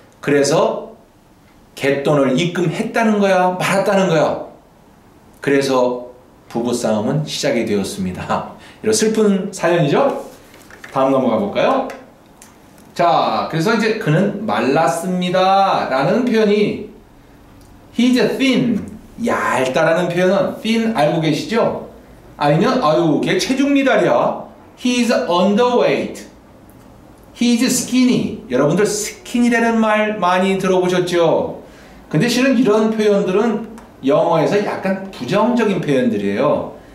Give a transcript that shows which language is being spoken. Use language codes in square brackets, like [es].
[ko] 그래서 갯돈을 입금했다는 거야? 말았다는 거야? 그래서 부부싸움은 시작이 되었습니다. 이런 슬픈 사연이죠? 다음 넘어가 볼까요? 자, 그래서 이제 그는 말랐습니다. 라는 표현이 [en] He's a thin. [ko] 얇다라는 표현은 thin 알고 계시죠? 아니면 아유 걔 체중 미달이야. [en] He's underweight. He's skinny. [ko] 여러분들 skinny라는 말 많이 들어보셨죠? 근데 실은 이런 표현들은 영어에서 약간 부정적인 표현들이에요.